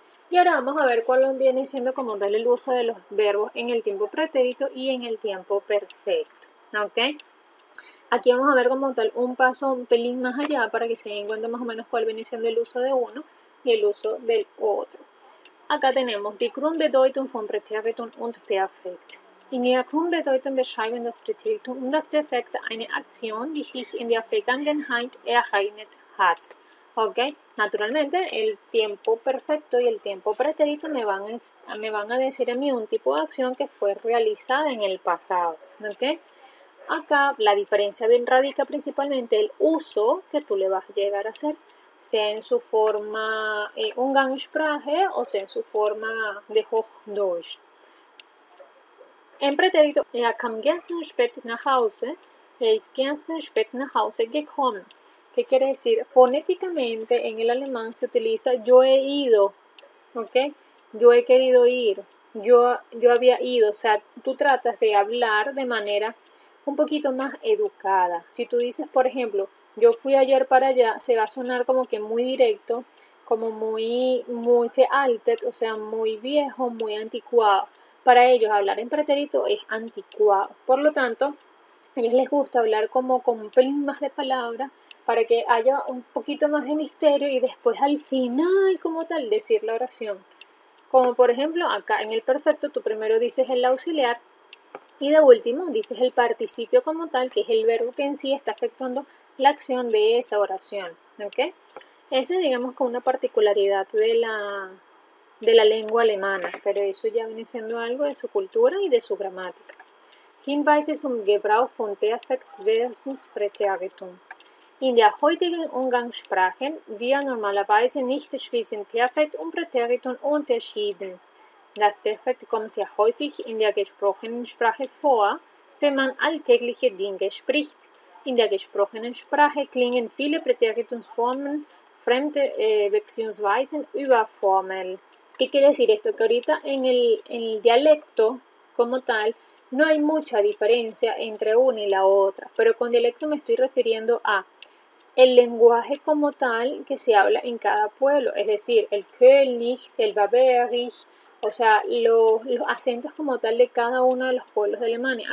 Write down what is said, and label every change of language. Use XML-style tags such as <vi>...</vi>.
<es>Y ahora vamos a ver cuál viene siendo como tal el uso de los verbos en el tiempo pretérito y en el tiempo perfecto, ¿ok? Aquí vamos a ver como tal un paso un pelín más allá para que se den cuenta más o menos cuál viene siendo el uso de uno y el uso del otro. Acá tenemos,</es> <de>die Grundbedeutung von Pretéritum und Perfekt. In der Grundbedeutung beschreiben das Pretéritum und das Perfekt eine Aktion, die sich in der Vergangenheit ereignet hat. Okay.</de> <es>Naturalmente, el tiempo perfecto y el tiempo pretérito me van a decir a mí un tipo de acción que fue realizada en el pasado. Okay. Acá la diferencia bien radica principalmente el uso que tú le vas a llegar a hacer, sea en su forma Umgangssprache o sea en su forma de Hochdeutsch. En pretérito,</es> <de>er kam gestern spät nach Hause, er ist gestern spät nach Hause gekommen.</de> <es>¿Qué quiere decir? Fonéticamente en el alemán se utiliza yo he ido, ¿ok? Yo he querido ir, yo había ido. O sea, tú tratas de hablar de manera un poquito más educada. Si tú dices, por ejemplo, yo fui ayer para allá, se va a sonar como que muy directo, como muy veraltet, o sea, muy viejo, muy anticuado. Para ellos hablar en pretérito es anticuado. Por lo tanto, a ellos les gusta hablar como con un pelín más de palabras, para que haya un poquito más de misterio y después al final como tal decir la oración. Como por ejemplo acá en el perfecto tú primero dices el auxiliar y de último dices el participio como tal, que es el verbo que en sí está efectuando la acción de esa oración. ¿Ok? Esa digamos que una particularidad de la lengua alemana, pero eso ya viene siendo algo de su cultura y de su gramática.</es> <de>Hinweise zum Gebrauch von Perfekt versus Präteritum. In der heutigen Umgangssprache wird normalerweise nicht zwischen Perfekt und Präteritum unterschieden. Das Perfekt kommt sehr häufig in der gesprochenen Sprache vor, wenn man alltägliche Dinge spricht. In der gesprochenen Sprache klingen viele Präteritumsformen fremde bzw. überformel.</de> <es>¿Qué quiere decir esto? Que ahorita en el dialecto como tal no hay mucha diferencia entre una y la otra, pero con dialecto me estoy refiriendo a el lenguaje como tal que se habla en cada pueblo, es decir, el Kölnisch, el Bavarisch, o sea, los acentos como tal de cada uno de los pueblos de Alemania.</es>